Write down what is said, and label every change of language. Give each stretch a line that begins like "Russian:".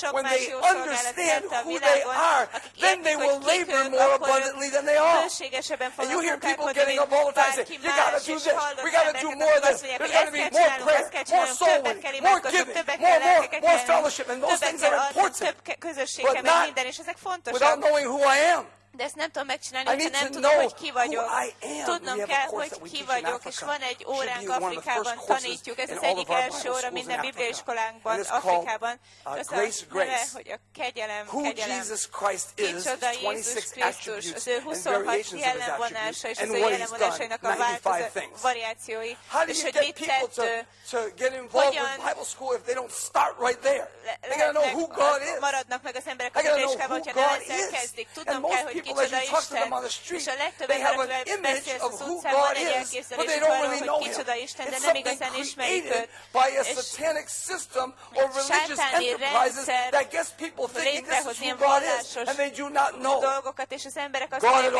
English: when they understand who they are, then they will labor more abundantly than they are. And you hear people getting up all the time saying, you got to do this, we got to do more of this, there's got to be more prayer, more soul winning, more giving, more fellowship, and those things are important, but not without knowing who I am.
Hungarian: De ezt nem tudom megcsinálni, hogyha nem tudom, hogy ki vagyok. Tudnom kell, hogy ki vagyok, és van egy óránk Afrikában, tanítjuk. Ez az egyik első óra minden bibliaiskolánkban, Afrikában. Ez a neve, hogy a kegyelem, Kicsoda Jézus Krisztus, az ő 26 jelenvonása, és az ő jelenvonásainak a variációi. És hogy mit tett, hogyan maradnak meg az emberek a bibliaiskolában, hogyha nem ezzel kezdik. Tudnom kell, hogy
English: people, as you talk to them on the street, they have an image of who God is, but they don't really know Him. It's something created by a satanic system or religious enterprises that gets people thinking this is who God is, and they do not know God at all.